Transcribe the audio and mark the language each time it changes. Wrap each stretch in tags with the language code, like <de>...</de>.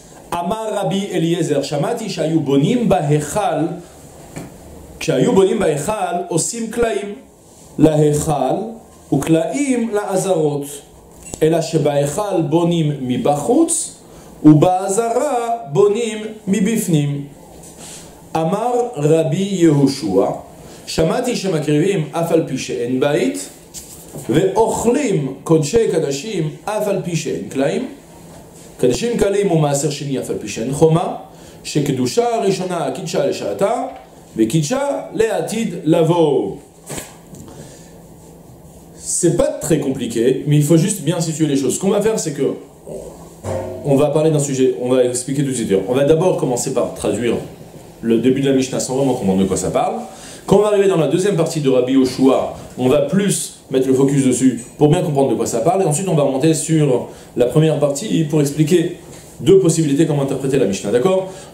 <he>Amar Rabbi Eliezer, Shamati, Shayu Bonim, Bahechal, Shayu Bonim, Bahechal, Osim Klaim, Lahechal, וקלאים לעזרות, אלא שבהיכל בונים מבחוץ, ובעזרה בונים מבפנים. אמר רבי יהושע, שמעתי שמקריבים אף על פי שאין בית, ואוכלים קודשי קדשים אף על פי שאין קלאים. קדשים קלים ומעשר שני אף על פי שאין חומה, שקדושה הראשונה קידשה לשעתה, וקידשה לעתיד לבוא.</he> <fr>C'est pas très compliqué, mais il faut juste bien situer les choses. Ce qu'on va faire, c'est que on va parler d'un sujet, on va expliquer tout de suite. On va d'abord commencer par traduire le début de la Mishnah sans vraiment comprendre de quoi ça parle. Quand on va arriver dans la deuxième partie de Rabbi Yehoshua, on va plus mettre le focus dessus pour bien comprendre de quoi ça parle. Et ensuite, on va monter sur la première partie pour expliquer deux possibilités comment interpréter la Mishnah. D'accord ?</fr>